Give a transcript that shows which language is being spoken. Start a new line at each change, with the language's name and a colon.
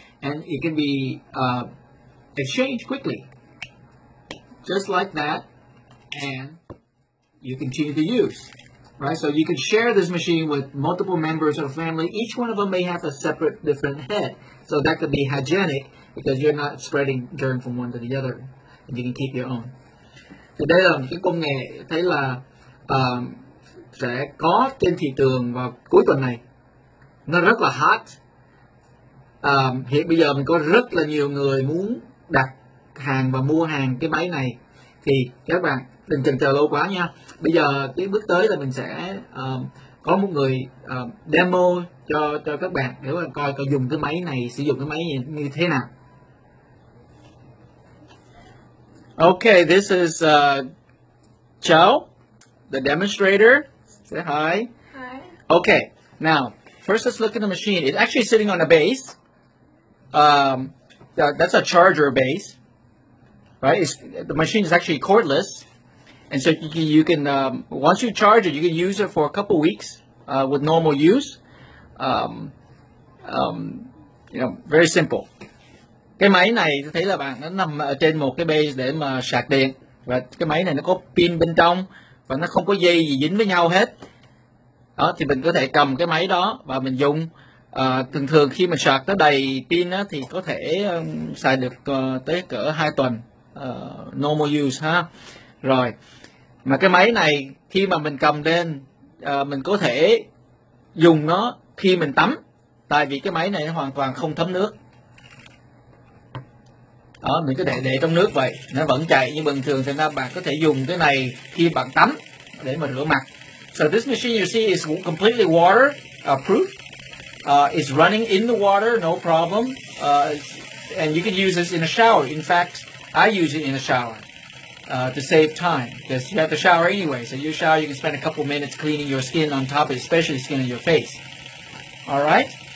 English: And it can be exchanged quickly, just like that, and you continue to use, right? So you can share this machine with multiple members of family. Each one of them may have a separate different head. So that could be hygienic because you're not spreading germ from one to the other, and you can keep your own.
Vietnamese: Thì đây là một cái công nghệ thấy là sẽ có trên thị trường vào cuối tuần này. Nó rất là hot. Hiện bây giờ mình có rất là nhiều người muốn đặt hàng và mua hàng cái máy này. Thì các bạn đừng chần chờ lâu quá nha. Bây giờ cái bước tới là mình sẽ có một người demo cho các bạn để mà coi có dùng cái máy này, sử dụng cái máy này như thế nào.
English: Okay, this is Chow, the demonstrator. Say hi. Hi. Okay, now, first let's look at the machine. It's actually sitting on a base. That's a charger base, right? The machine is actually cordless. And so you can once you charge it, you can use it for a couple weeks with normal use. Very simple.
Vietnamese: Cái máy này thấy là bạn nó nằm ở trên một cái base để mà sạc điện. Và cái máy này nó có pin bên trong và nó không có dây gì dính với nhau hết. Đó, thì mình có thể cầm cái máy đó và mình dùng. Thường thường khi mình sạc tới đầy pin á, thì có thể xài được tới cỡ 2 tuần.
English: Normal use
Vietnamese: ha. Rồi. Mà cái máy này khi mà mình cầm lên, mình có thể dùng nó khi mình tắm. Tại vì cái máy này nó hoàn toàn không thấm nước. Đó, mình cứ để trong nước vậy, nó vẫn chạy. Nhưng bình thường thì bạn có thể dùng cái này khi bạn tắm để mà rửa mặt.
English: So this machine you see is completely water proof. It's running in the water, no problem. And you can use this in a shower. In fact, I use it in a shower to save time. Because you have to shower anyway. So you shower, you can spend a couple minutes cleaning your skin on top of it, especially the skin on your face. All right?